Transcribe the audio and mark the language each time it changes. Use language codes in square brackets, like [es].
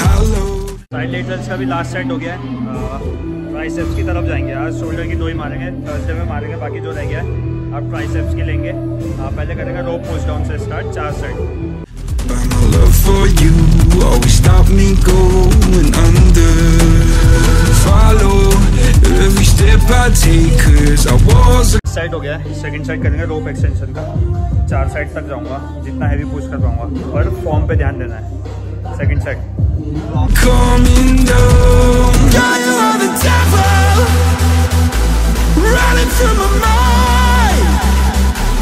[hi] Last set हो गया है, ट्राइसेप्स की तरफ जाएंगे आज, शोल्डर की दो ही मारेंगे, थर्सडे में मारेंगे, बाकी जो रह गया है अब ट्राइसेप्स के लेंगे। पहले करेंगे रोप पुश डाउन से स्टार्ट, चार set. [en] By my love for you, always stop me going under. Follow every step I take, 'cause I was. [hi] Set हो गया है, सेकंड सेट करेंगे रोप एक्सटेंशन का, चार सेट तक जाऊंगा, जितना हैवी पुश कर पाऊंगा, और फॉर्म पे ध्यान देना है। Second set [en] coming down. God, you are the devil running through my mind.